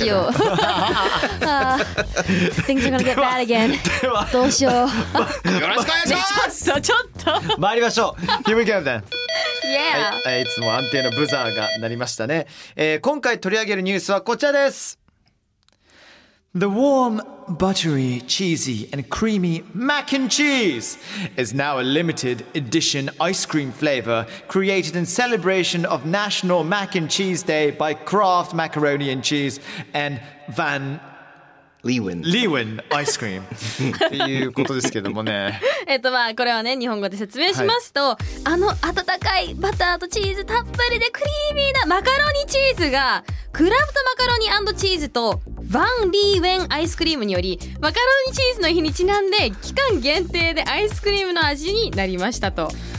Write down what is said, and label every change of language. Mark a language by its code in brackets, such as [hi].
[ja] どうしよう。 [en] Things are gonna get bad again。 どうしよう。 [ja] よろしくお願いします。ちょっと参りましょう。 Here we go then。 Yeah、はい、いつも安定のブザーが鳴りましたね。今回取り上げるニュースはこちらです。 [en] The warm, buttery, cheesy and creamy mac and cheese is now a limited edition ice cream flavor created in celebration of National Mac and Cheese Day by Kraft Macaroni and Cheese and Van Leeuwen [ja] ice cream っていうことですけどもね。まあこれはね、日本語で説明しますと、はい、温かいバターとチーズたっぷりでクリーミーなマカロニチーズが、クラフトマカロニ&チーズとヴァン・リーウェンアイスクリームにより、マカロニチーズの日にちなんで期間限定でアイスクリームの味になりましたと。